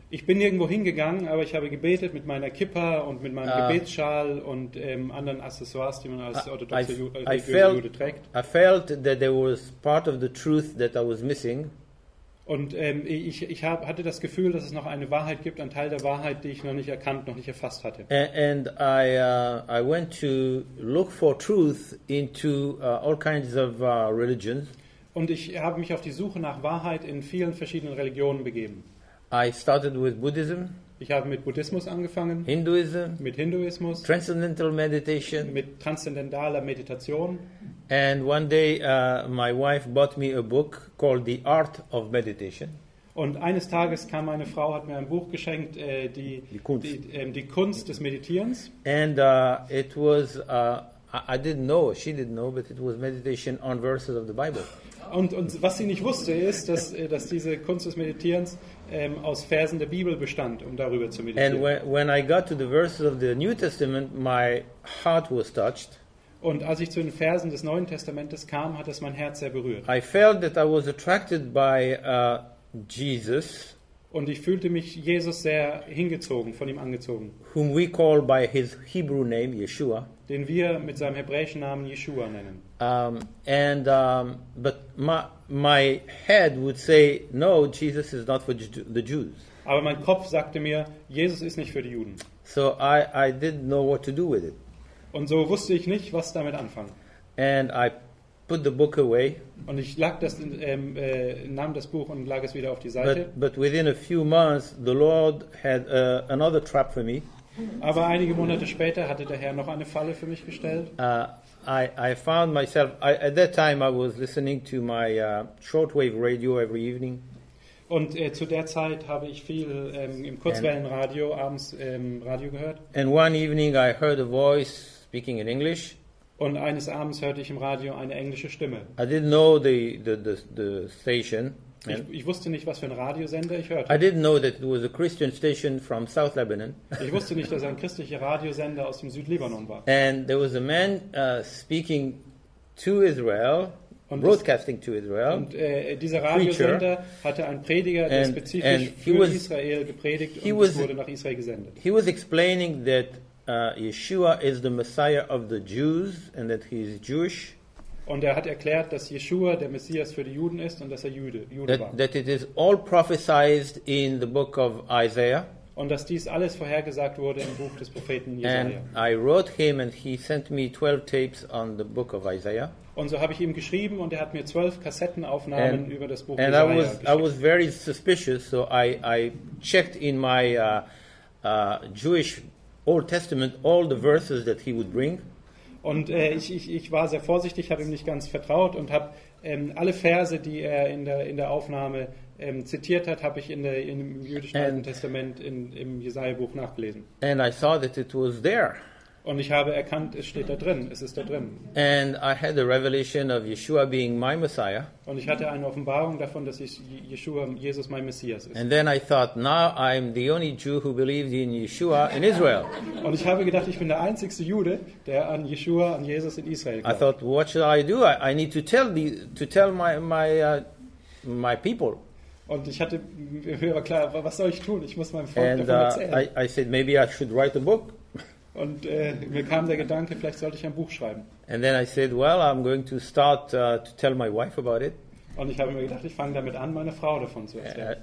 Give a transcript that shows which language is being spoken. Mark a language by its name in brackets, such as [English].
[German] Ich bin irgendwo hingegangen, aber ich habe gebetet mit meiner Kippa und mit meinem Gebetsschal und anderen Accessoires, die man als orthodoxer Jude trägt. [English] I felt that there was part of the truth that I was missing. [German] Und ich hatte das Gefühl, dass es noch eine Wahrheit gibt, einen Teil der Wahrheit, die ich noch nicht erkannt, noch nicht erfasst hatte. [English] And I went to look for truth into all kinds of religions. [German] Und ich habe mich auf die Suche nach Wahrheit in vielen verschiedenen Religionen begeben. [English] I started with Buddhism. [German] Ich habe mit Buddhismus angefangen. [English] Hinduism. [German] Mit Hinduismus. [English] Transcendental meditation. [German] Mit transzendentaler Meditation. [English] And one day my wife bought me a book called The Art of Meditation. [German] Und eines Tages kam meine Frau, hat mir ein Buch geschenkt, die Kunst des Meditierens. [English] And it was, I didn't know, she didn't know, but it was meditation on verses of the Bible. [German] Und was sie nicht wusste, ist, dass diese Kunst des Meditierens aus Versen der Bibel bestand, um darüber zu meditieren. [English] And when I got to the verses of the New Testament, my heart was touched. [German] Und als ich zu den Versen des Neuen Testamentes kam, hat es mein Herz sehr berührt. [English] I felt that I was attracted by Jesus. [German] Und ich fühlte mich Jesus sehr hingezogen, von ihm angezogen. [English] Whom we call by his Hebrew name, Yeshua. [German] den wir mit seinem hebräischen Namen Yeshua nennen. [English] But my head would say, no, Jesus is not for the Jews. [German] Aber mein Kopf sagte mir, Jesus ist nicht für die Juden. [English] So I didn't know what to do with it. [German] Und so wusste ich nicht, was damit anfangen. [English] And I put the book away. [German] Und ich lag das, nahm das Buch und lag es wieder auf die Seite. [English] But within a few months, the Lord had another trap for me. [German] Aber einige Monate später hatte der Herr noch eine Falle für mich gestellt. [English] I found myself, at that time I was listening to my shortwave radio every evening. [German] Und zu der Zeit habe ich viel im Kurzwellenradio abends Radio gehört. [English] And one evening I heard a voice speaking in English. [German] Und eines Abends hörte ich im Radio eine englische Stimme. [English] I didn't know the station. [German] Ich wusste nicht, was für ein Radiosender ich hörte. [English] I didn't know that it was a Christian station from South Lebanon. [German] Ich wusste nicht, dass ein christlicher Radiosender aus dem Südlibanon war. [English] And there was a man speaking to Israel. [German] Und [English] broadcasting to Israel. [German] Und dieser Radiosender hatte einen Prediger, der spezifisch für Israel gepredigt und wurde nach Israel gesendet. [English] He was explaining that Yeshua is the Messiah of the Jews and that he is Jewish. [German] Und er hat erklärt, dass Yeshua der Messias für die Juden ist und dass er Jude [English] that, [German] war. [English] That it is all prophesied in the book of Isaiah. [German] Und dass dies alles vorhergesagt wurde im Buch des Propheten Jesaja. [English] And I wrote him and he sent me 12 tapes on the book of Isaiah. [German] Und so habe ich ihm geschrieben und er hat mir 12 Kassettenaufnahmen [English] and, [German] über das Buch Jesaja geschickt. [English] I was very suspicious, so I checked in my Jewish Old Testament all the verses that he would bring. [German] Und ich war sehr vorsichtig, habe ihm nicht ganz vertraut und habe alle Verse, die er in der Aufnahme zitiert hat, habe ich im jüdischen Alten Testament im Jesaja-Buch nachgelesen. [English] And I saw that it was there. [German] Und ich habe erkannt, es steht da drin, es ist da drin. [English] And I had the revelation of Yeshua being my Messiah. [German] Und ich hatte eine Offenbarung davon, dass Yeshua, Jesus, mein Messias ist. [English] And then I thought, now I'm the only Jew who believed in Yeshua in Israel. [German] Und ich habe gedacht, ich bin der einzige Jude, der an Yeshua, an Jesus in Israel glaubt. [English] I thought, what should I do? I need to tell my people. [German] Und ich hatte mir klar, was soll ich tun? Ich muss meinem Volk [English] and, [German] davon erzählen. [English] I said, maybe I should write a book. [German] Und mir kam der Gedanke, vielleicht sollte ich ein Buch schreiben. [English] And then I said, well, I'm going to start to tell my wife about it. [German] Und ich habe mir gedacht, ich fange damit an, meine Frau davon zu erzählen.